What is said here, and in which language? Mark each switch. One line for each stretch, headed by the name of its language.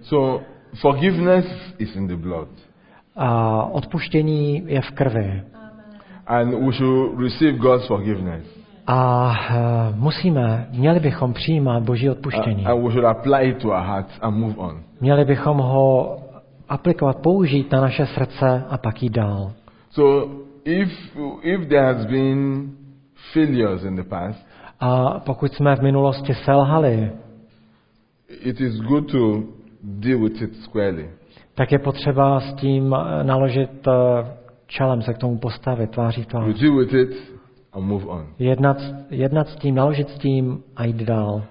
English: So forgiveness is in the blood.
Czech: A odpuštění je v krvi.
English: And we should receive God's forgiveness.
Czech: A musíme, měli bychom přijímat Boží odpuštění.
English: And we should apply it to our hearts and move on.
Czech: Měli bychom ho aplikovat, použít na naše srdce a pak jít dál.
English: So if there has been failures in the past,
Czech: a pokud jsme v minulosti selhali,
English: it is good to deal with it squarely.
Czech: Tak je potřeba s tím naložit čelem, se k tomu postavit tváří v tvář.
English: You deal with it and move on.
Czech: Jednat s tím, naložit s tím a jít dál.